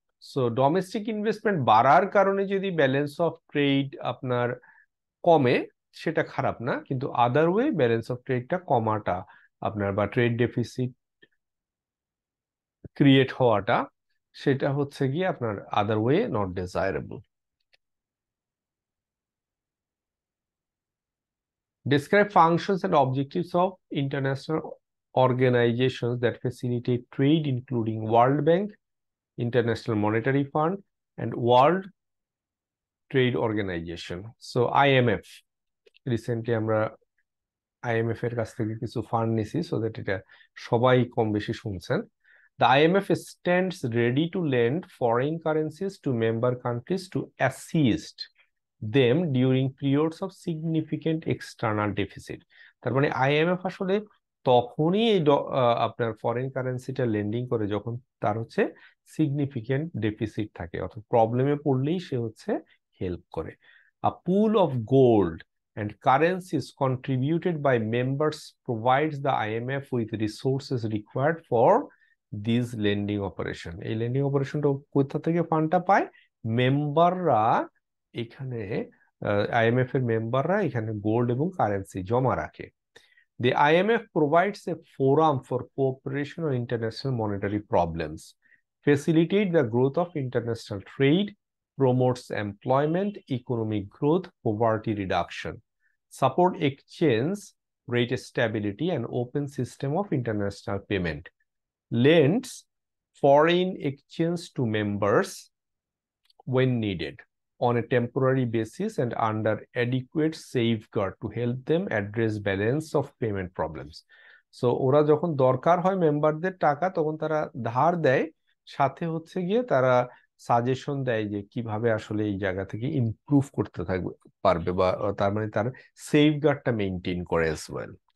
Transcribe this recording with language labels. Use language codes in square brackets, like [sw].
[bn] So domestic investment বাড়ার কারণে যদি ব্যালেন্স অফ ট্রেড আপনার কমে সেটা খারাপ না, কিন্তু আদার ওয়ে ব্যালেন্স অফ ট্রেডটা কমাটা আপনার বা ট্রেড ডেফিসিট ক্রিয়েট হওয়াটা, সেটা হচ্ছে গিয়ে আপনার other way not desirable. [en] Describe functions and objectives of international organizations that facilitate trade, including World Bank, International Monetary Fund, and World Trade Organization. So IMF. [bn] Recently, আমরা IMF এর কাছ থেকে কিছু ফান্ড নিছি, সো দ্যাট এটা সবাই কম বেশি শুনছেন। [en] The IMF stands ready to lend foreign currencies to member countries to assist them during periods of significant external deficit. [bn] তার মানে IMF আসলে তখনই আপনার ফরেন কারেন্সিটা লেন্ডিং করে যখন তার হচ্ছে সিগনিফিকেন্ট ডেফিসিট থাকে, অর্থাৎ প্রবলেমে পড়লেই সে হচ্ছে হেল্প করে। [en] A pool of gold and currencies contributed by members provides the IMF with resources required for this lending operation. [bn] এই লেন্ডিং অপারেশনটা কোথা থেকে ফান্ডটা পায়? মেম্বাররা এখানে IMF এর মেম্বাররা এখানে গোল্ড এবং কারেন্সি জমা রাখে। [en] The IMF provides a forum for cooperation on international monetary problems, facilitates the growth of international trade, promotes employment, economic growth, poverty reduction, supports exchange rate stability and open system of international payment, lends foreign exchange to members when needed on a temporary basis and under adequate safeguard to help them address balance of payment problems. [bn] So ওরা যখন দরকার হয় মেম্বারদের টাকা তখন তারা ধার দেয়, সাথে হচ্ছে গিয়ে তারা সাজেশন দেয় যে কিভাবে আসলে এই জায়গা থেকে ইমপ্রুভ করতে থাকবে পারবে, বা তার মানে তার সেফগার্ডটা মেইনটেইন করে অ্যাজ ওয়েল।